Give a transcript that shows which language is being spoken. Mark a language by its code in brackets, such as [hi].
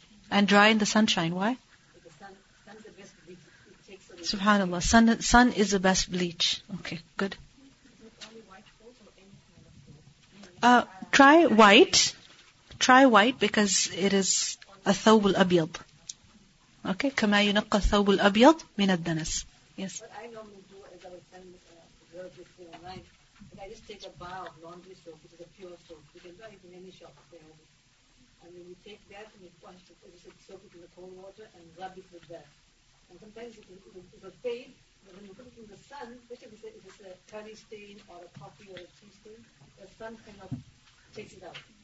[en] And dry in the sunshine. Why? Because sun is the best bleach. SubhanAllah. Sun is the best bleach. Okay, good. Try white. Try white because it is a thawb al-abyad. Okay? [ar] كما ينقى الثوب الأبيض من الدنس. [en] Yes. What I normally do is I would send the girl before night, and I just take a bar of laundry soap, which is a pure soap. You can buy it in any shop there. And then you take that and you wash it, you soak it in the cold water and rub it with that. And sometimes it will fade, but when you put it in the sun, especially if it's a curry stain or a coffee or a tea stain, the sun kind of takes it out.